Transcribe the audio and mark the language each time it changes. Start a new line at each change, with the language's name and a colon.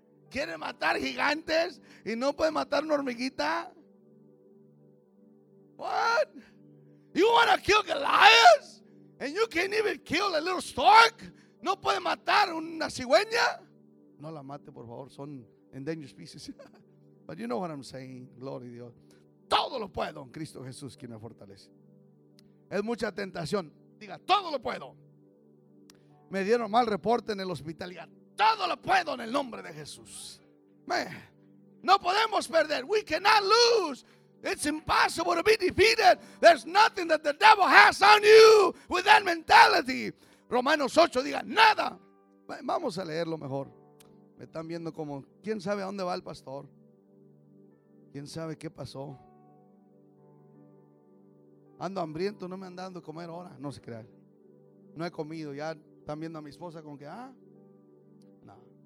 Spanish: ¿Quieren matar gigantes y no pueden matar una hormiguita?
English: What? You want to kill Goliaths? And you can't even kill a little stork?
Spanish: ¿No pueden matar una cigüeña? No la mate, por favor. Son
English: endangered species. But you know what I'm saying, glory to God.
Spanish: Todo lo puedo en Cristo Jesús quien me fortalece. Es mucha tentación. Diga, todo lo puedo. Me dieron mal reporte en el hospital. Diga, todo lo puedo en el nombre de Jesús.
English: Man,
Spanish: no podemos perder.
English: We cannot lose. It's impossible to be defeated. There's nothing that the devil has on you with that mentality.
Spanish: Romanos 8, diga, nada. Vamos a leerlo mejor. Me están viendo como, ¿quién sabe a dónde va el pastor? ¿Quién sabe qué pasó? Ando hambriento, no me han dado de comer ahora. No se crean. No he comido. Ya están viendo a mi esposa con que, no.